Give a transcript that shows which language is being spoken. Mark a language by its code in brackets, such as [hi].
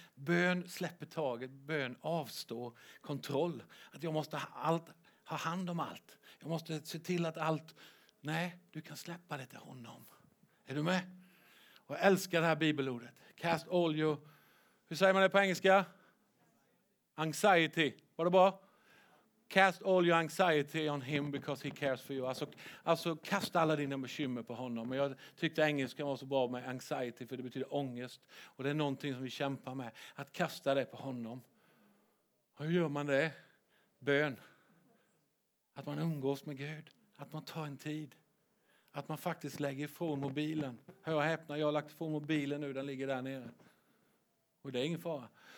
[sv] Bön släpper taget. Bön avstår kontroll. Att jag måste ha hand om allt. Jag måste se till att allt... Nej, du kan släppa det till honom. Är du med? Och jag älskar det här bibelordet. [en] Cast all your... [sv] Hur säger man det på engelska? Anxiety. Var det bra? [en] Cast all your anxiety on him because he cares for you. [sv] Alltså kasta alla dina bekymmer på honom. Men jag tyckte engelska var så bra med anxiety. För det betyder ångest. Och det är någonting som vi kämpar med. Att kasta det på honom. Hur gör man det? Bön. Att man umgås med Gud. Att man tar en tid. Att man faktiskt lägger ifrån mobilen. Hör och häpna, jag har lagt ifrån mobilen nu. Den ligger där nere. Och det är ingen fara.